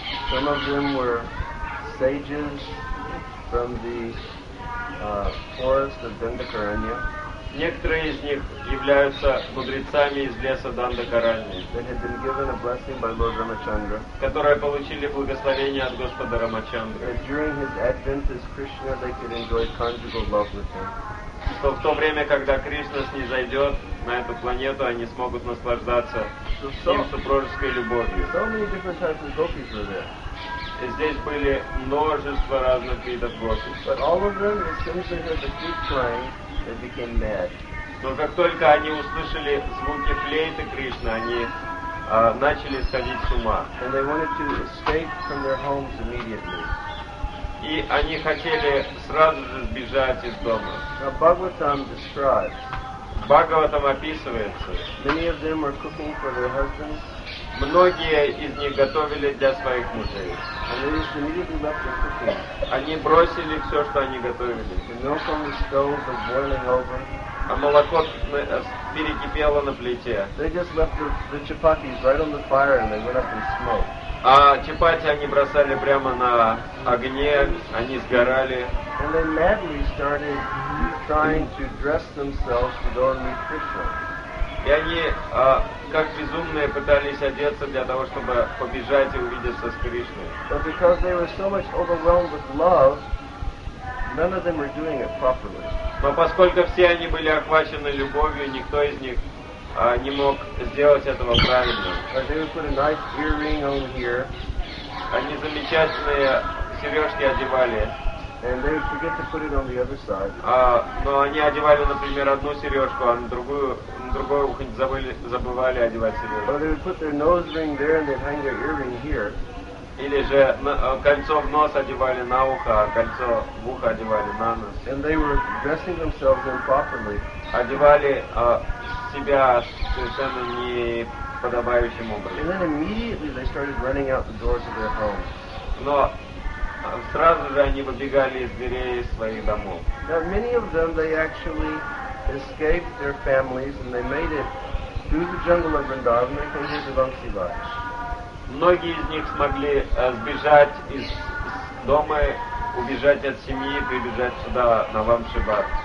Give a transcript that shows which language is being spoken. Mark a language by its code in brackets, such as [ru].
[en] Some of them were sages from the forest of Dandakaranya. [ru] Некоторые из них являются мудрецами из леса Дандакаранья. [en] They had been given a blessing by Lord Ramachandra. [ru] Которые получили благословение от Господа Рамачандры. [en] That during his advent as Krishna, they could enjoy conjugal love with him. [ru] Что в то время, когда Кришна снизойдет на эту планету, они смогут наслаждаться им супружеской любовью. [en] So many different types of gopis were there. [ru] И здесь были множество разных видов гопи. [en] But all of them, as soon as they heard the flute playing, they became mad. [ru] Но как только они услышали звуки флейты Кришны, они начали сходить с ума. [en] And they wanted to escape from their homes immediately. [ru] И они хотели сразу же сбежать из дома. [en] Now, Bhagavatam describes. [ru] Bhagavatam описывается. [en] Many of them were cooking for their husbands. [ru] Многие из них готовили для своих мужей. [en] And they just immediately left their cooking. [ru] Они бросили все, что они готовили. [en] The milk on the stove was boiling over. [ru] А молоко перекипело на плите. [en] They just left the chapatis right on the fire and they went up and smoked. [ru] А чапати они бросали прямо на огне, они сгорали. [en] And they madly started trying to dress themselves to go and meet Krishna. [ru] И они как безумные пытались одеться для того, чтобы побежать и увидеться с Кришной. [en] But because they were so much overwhelmed with love, none of them were doing it properly. [ru] Но поскольку все они были охвачены любовью, никто из них не мог сделать этого правильно. [en] Nice, [ru] они замечательные сережки одевали. Но они одевали, например, одну сережку, а на другую ухо забывали одевать сережку. Или же кольцо в нос одевали на ухо, а кольцо в ухо одевали на нос. [en] And they were dressing themselves improperly. [ru] Одевали себя совершенно неподобающим образом. [en] And then immediately they started running out the doors of their homes. [ru] Но сразу же они выбегали из дверей своих домов. [en] Now many of them, they actually escaped their families and they made it through the jungle of Vrindavan and came here to Vamsivad. [ru] Многие из них смогли сбежать из дома, убежать от семьи, прибежать сюда, на Вамшибад.